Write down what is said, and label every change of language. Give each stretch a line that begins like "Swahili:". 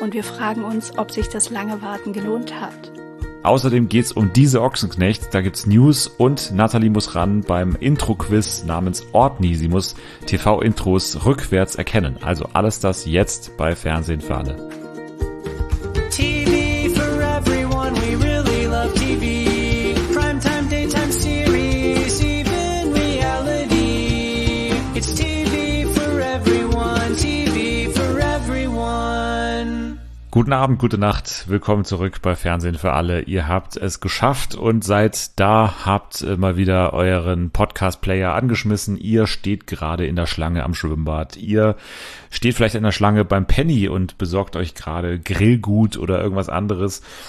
German: Und wir fragen uns, ob sich das lange Warten gelohnt hat. Außerdem geht's um diese Ochsenknecht. Da gibt's News und Nathalie muss ran beim Intro-Quiz namens Ordni. Sie muss TV-Intros rückwärts erkennen. Also alles das jetzt bei Fernsehen für alle.
English: TV for everyone, we really love TV. Primetime, daytime series, even reality. It's TV for everyone, TV for everyone.
German: Guten Abend, gute Nacht, willkommen zurück bei Fernsehen für alle. Ihr habt es geschafft und seid da, habt mal wieder euren Podcast-Player angeschmissen. Ihr steht gerade in der Schlange am Schwimmbad. Ihr steht vielleicht in der Schlange beim Penny und besorgt euch gerade Grillgut oder irgendwas anderes.